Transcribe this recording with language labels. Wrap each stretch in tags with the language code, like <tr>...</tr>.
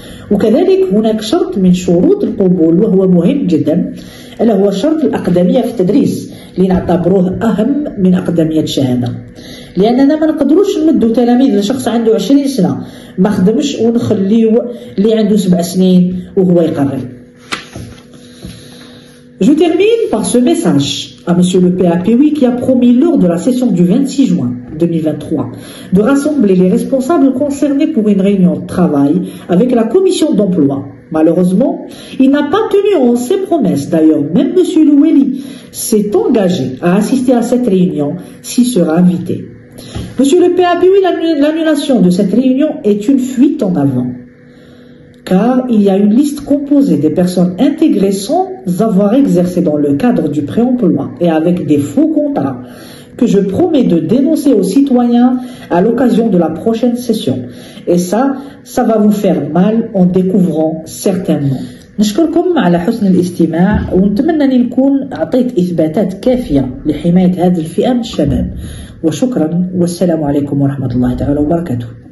<ar>وكذلك هناك شرط من شروط القبول وهو مهم جدا، ألا هو شرط الأقدمية في التدريس اللي نعتبروه أهم من أقدمية الشهادة، لأننا ما نقدروش نمدوا تلاميذ لشخص عنده 20 سنة ما خدمش ونخليه اللي عنده 7 سنين وهو يقرر.</ar> <fr>Je termine par ce message à monsieur le PAPWI qui a promis lors de la session du 26 juin 2023 de rassembler les responsables concernés pour une réunion de travail avec la commission d'emploi. Malheureusement, il n'a pas tenu en ses promesses. D'ailleurs, même monsieur Loueli s'est engagé à assister à cette réunion s'il sera invité. Monsieur le PAPWI, l'annulation de cette réunion est une fuite en avant, car il y a une liste composée des personnes intégrées sans avoir exercé dans le cadre du préemploi et avec des faux contrats que je promets de dénoncer aux citoyens à l'occasion de la prochaine session. Et ça va vous faire mal en découvrant certains noms.</fr> <ar>نشكركم على حسن الاستماع، ونتمنى أن نكون أعطيت إثباتات كافية لحماية هذه الفئة من الشباب. وشكرا، والسلام عليكم ورحمة الله تعالى وبركاته.</ar>